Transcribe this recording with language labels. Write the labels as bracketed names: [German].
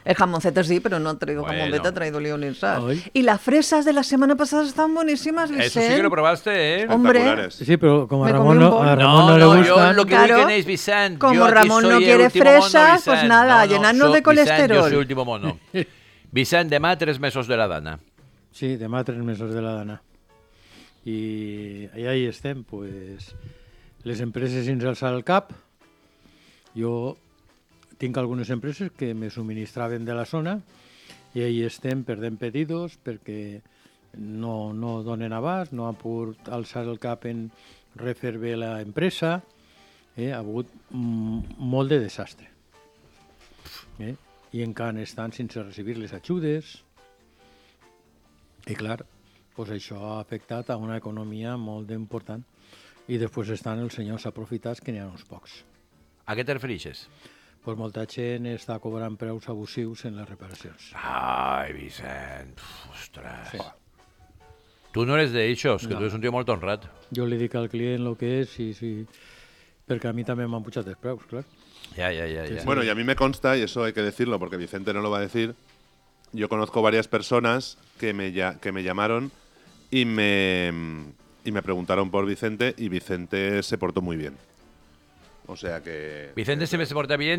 [Spanish] El jamoncete sí, pero no traigo jamoncete, ha traído lionesa. Y las fresas de la semana pasada están buenísimas, Vicent. Eso sí que lo probaste, ¿eh? Hombre, sí, pero como a Ramón no le gusta... No, yo lo que claro, digo es Vicent. Como yo Ramón no quiere fresas, pues nada, no, llenarnos de colesterol. Vicent, yo soy último mono. [Catalan] Vicent, demà 3 mesos de la dana. Sí, demà 3 mesos de la dana. Y ahí estem, pues... Les empreses sense alçar el cap. Jo... Tinc algunes empreses que me subministraven de la zona i ahí estem perdent pedidos perquè no donen abast, no han pogut alçar el cap en refer bé la empresa. Ha hagut molt de desastre. I encara estan sense recibir les ajudes. I clar, pues això ha afectat a una economia molt important. I després estan els senyors aprofitats, que n'hi ha uns pocs. A què te refereixes? Pues molta gent està cobrant preus abusius en les reparacions. Ai, Vicent, ostres. Sí. Tu no eres d'eixos, que no. Tu eres un tio molt honrat. Jo li dic al client lo que és, sí. Perquè a mi també m'han pujat els preus, clar. Ja. Sí. [Spanish] Bueno, y a mí me consta, y eso hay que decirlo, porque Vicente no lo va a decir, yo conozco varias personas que me llamaron y me preguntaron por Vicente, y Vicente se portó muy bien. O sea que... Vicente siempre se porta bien